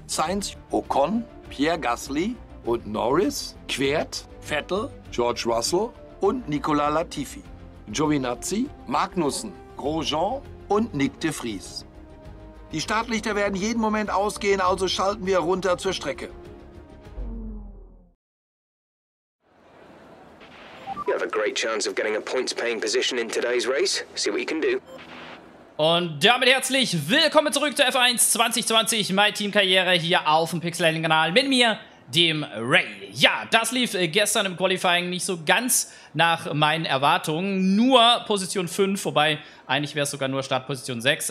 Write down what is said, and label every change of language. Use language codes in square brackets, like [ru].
[de] Sainz, Ocon, Pierre Gasly und Norris, Kvyat, Vettel, George Russell und Nicolas Latifi. Giovinazzi, Magnussen, Grosjean und Nyck de Vries. Die Startlichter werden jeden Moment ausgehen, also schalten wir runter zur Strecke. [en] You have a great chance of getting a points-paying position in today's race. See what you can do. [de] Und damit herzlich willkommen zurück zur F1 2020 My Team Karriere hier auf dem Pixelating Kanal mit mir, dem Ray. Ja, das lief gestern im Qualifying nicht so ganz nach meinen Erwartungen. Nur Position 5, wobei eigentlich wäre es sogar nur Startposition 6.